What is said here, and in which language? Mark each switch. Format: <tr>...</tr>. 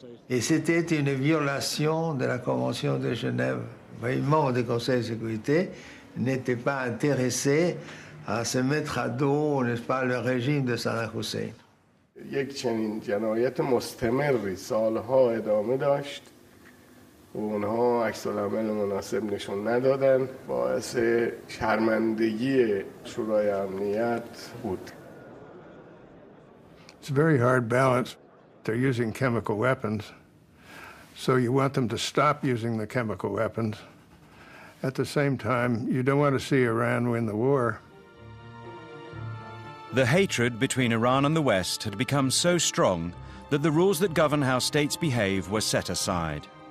<fr>Et c'était une violation de la Convention de Genève. Vraiment, le Conseil de sécurité n'était pas intéressé à se mettre à dos, n'est-ce pas, le régime de Saddam Hussein.</fr> <fa>یک چنین جنایت مستمری سالها ادامه داشت و اونها عکس العمل مناسب نشون ندادن باعث شرمندگی شورای امنیت بود.</fa> <en>It's a very hard balance. They're using chemical weapons, so you want them to stop using the chemical weapons. At the same time, you don't want to see Iran win the war. The hatred between Iran and the West had become so strong that the rules that govern how states behave were set aside.</en>